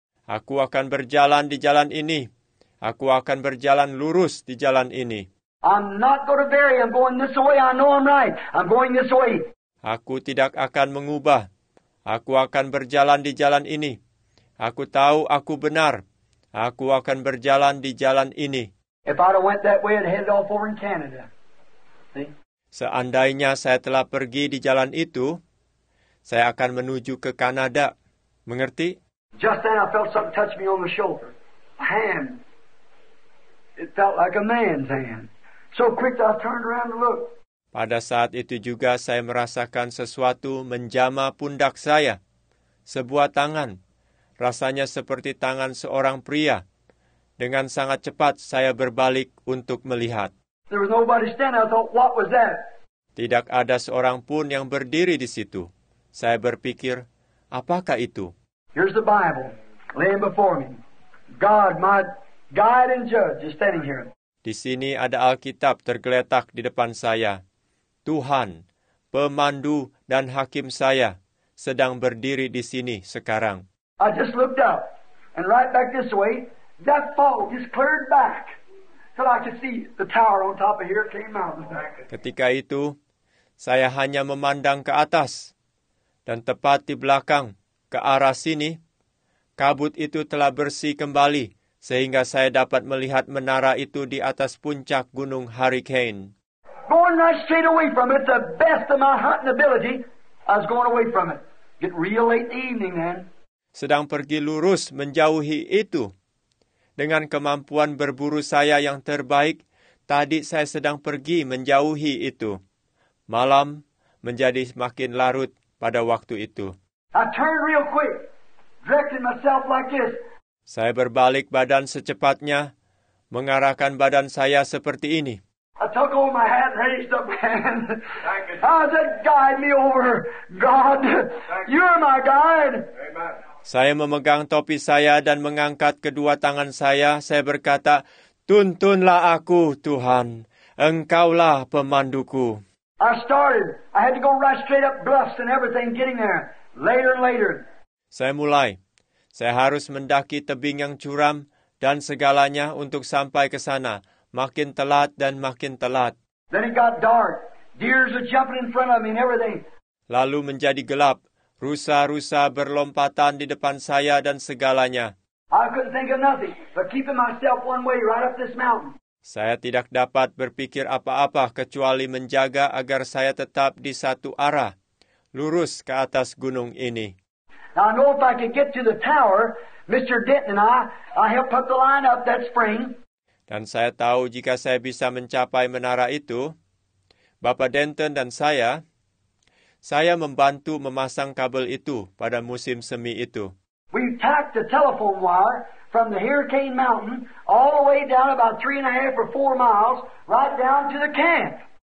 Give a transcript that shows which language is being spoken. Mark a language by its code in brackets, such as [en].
[id] Aku akan berjalan di jalan ini. Aku akan berjalan lurus di jalan ini. [en] I'm not going to vary. I'm going this way. I know I'm right. I'm going this way. [id] Aku tidak akan mengubah. Aku akan berjalan di jalan ini. Aku tahu aku benar. Aku akan berjalan di jalan ini. [en] If I'd have went that way, I'd have headed off over in Canada. See? [id] Seandainya saya telah pergi di jalan itu, saya akan menuju ke Kanada. Mengerti? [en] Just then I felt something touch me on the shoulder. A hand. It felt like a man's hand. So quick I turned around to look. [id] Pada saat itu juga saya merasakan sesuatu menjama pundak saya. Sebuah tangan. Rasanya seperti tangan seorang pria. Dengan sangat cepat saya berbalik untuk melihat. [en] There was nobody standing. I thought, what was that? [id] Tidak ada seorang pun yang berdiri di situ. Saya berpikir, apakah itu? [en] Here's the Bible laying before me. God, my guide and judge, is standing here. [id] Di sini ada Alkitab tergeletak di depan saya. Tuhan, pemandu dan hakim saya, sedang berdiri di sini sekarang. [en] I just looked up, and right back this way, that fog just cleared back. So I could see the tower on top of here came out. [id] Ketika itu, saya hanya memandang ke atas, dan tepat di belakang, ke arah sini, kabut itu telah bersih kembali, sehingga saya dapat melihat menara itu di atas puncak Gunung Hurricane. [en] Going right straight away from it, the best of my hunting ability, I was going away from it. Get real late in the evening, man. [id] Sedang pergi lurus menjauhi itu. Dengan kemampuan berburu saya yang terbaik, tadi saya sedang pergi menjauhi itu. Malam menjadi makin larut pada waktu itu. [en] I turned real quick, directing myself like this. [id] Saya berbalik badan secepatnya, mengarahkan badan saya seperti ini. [en] I took off my hat and raised up my hand. I said, guide me over, God. You're my guide. Amen. [id] Saya memegang topi saya dan mengangkat kedua tangan saya. Saya berkata, tuntunlah aku, Tuhan. Engkaulah pemanduku. [en] I started. I had to go right straight up bluffs and everything getting there. Later and later. [id] Saya mulai. Saya harus mendaki tebing yang curam dan segalanya untuk sampai ke sana. Makin telat dan makin telat. [en] Then it got dark. Deers were jumping in front of me and everything. [id] Lalu menjadi gelap. Rusa-rusa berlompatan di depan saya dan segalanya. [en] I couldn't think of nothing but keeping myself one way right up this mountain. [id] Saya tidak dapat berpikir apa-apa kecuali menjaga agar saya tetap di satu arah, lurus ke atas gunung ini. [en] Now, I know if I could get to the tower, Mr. Denton and I helped put the line up that spring. [id] Dan saya tahu jika saya bisa mencapai menara itu, Bapak Denton dan saya, saya membantu memasang kabel itu pada musim semi itu. [en] We tacked the telephone wire from the Hurricane Mountain all the way down about 3.5 or 4 miles, right down to the camp.